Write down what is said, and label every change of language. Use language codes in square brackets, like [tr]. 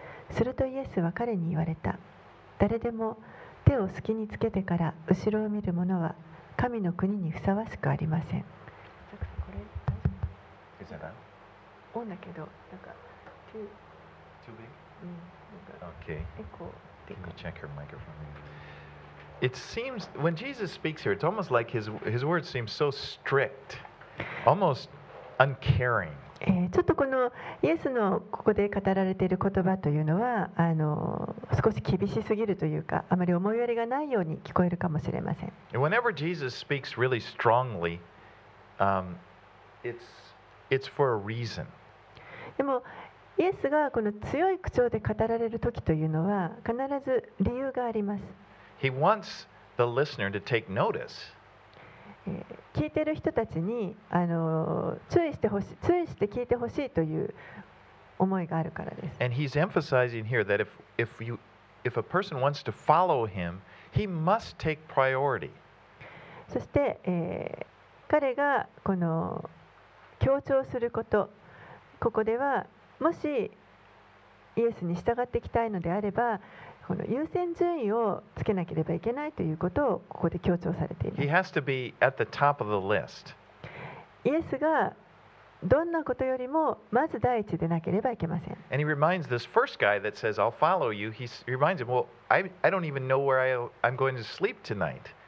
[ja] するとイエスは彼に言われた。誰でも手を隙につけてから後ろを見る者は神の国にふさわしくありません。これ大丈夫？ [en] Is that on? [ja] オンだけどなんか [en] too too big? [ja] うん、なんか [en] okay. [ja] エコー。 [en] Can you check your microphone? It seems when Jesus speaks here, it's almost like his words seem so strict, almost uncaring. [ja] ちょっとこのイエスのここで語られている言葉というのは少し厳しすぎるというか、あまり思いやりがないように聞こえるかもしれません。 [en] Whenever Jesus speaks really strongly, it's for a reason. [ja] でもイエスがこの強い口調で語られる時というのは必ず理由があります。 [en] He wants the listener to take notice. [ja] 聞いている人たちに注意してほしい、注意して聞いてほしいという思いがあるからです。 [en] And he's emphasizing here that if a person wants to follow him, he must take priority. [ja] そして、彼がこの強調すること、ここではもしイエスに従っていきたいのであれば、この優先順位をつけなければいけないということをここで強調されています。 [en] He has to be at the top of the list. [ja] イエスがどんなことよりもまず第一でなければいけません。 [en] And he reminds this first guy that says, "I'll follow you." He reminds him, "Well, I don't even know where I'm going to sleep tonight."